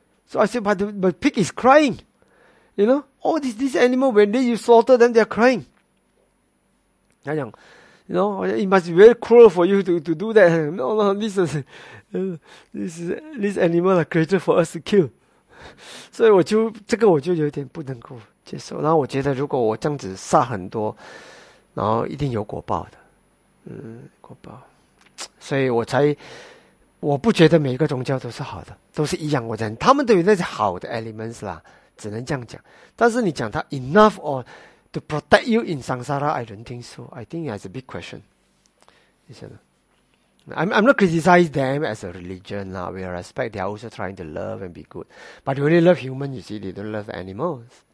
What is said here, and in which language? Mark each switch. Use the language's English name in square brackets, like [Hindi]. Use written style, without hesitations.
[English] So I said, but pig is crying, you know? All these animals, when they you slaughter them, they are crying. 他讲， you know, it must be very cruel for you to do that. No, this animal are created for us to kill. [Chinese] 所以我就这个我就有点不能够接受。然后我觉得如果我这样子杀很多，然后一定有果报的，果报。所以我才。我不觉得每一个宗教都是好的，都是一样。我讲他们都有那些好的 elements 啦，只能这样讲。 [English] 但是你讲他 enough or to protect you in samsara，I don't think so. I think that's a big question. 你说呢？ I'm not criticize them as a religion 啦。 We respect. They are also trying to love and be good. But they only love human. You see, they don't love animals.